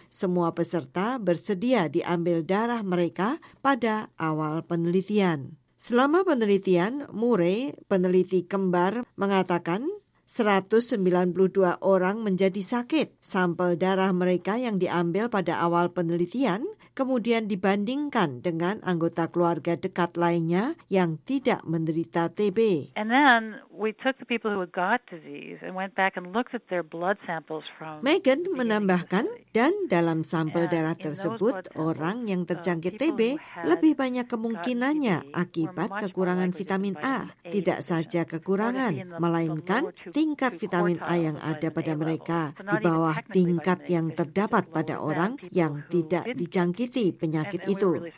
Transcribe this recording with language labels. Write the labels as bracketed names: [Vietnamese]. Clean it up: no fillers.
[Indonesian] Semua peserta bersedia diambil darah mereka pada awal penelitian. Selama penelitian, Murray, peneliti kembar, mengatakan 192 orang menjadi sakit. Sampel darah mereka yang diambil pada awal penelitian kemudian dibandingkan dengan anggota keluarga dekat lainnya yang tidak menderita TB. [English] And then we took the people who had got disease and went back and looked at their blood samples from. [Indonesian] Megan menambahkan, dan dalam sampel darah tersebut orang yang terjangkit TB lebih banyak kemungkinannya akibat kekurangan vitamin A. Tidak saja kekurangan, melainkan tingkat vitamin A yang ada pada mereka di bawah tingkat yang terdapat pada orang yang tidak dijangkiti penyakit itu.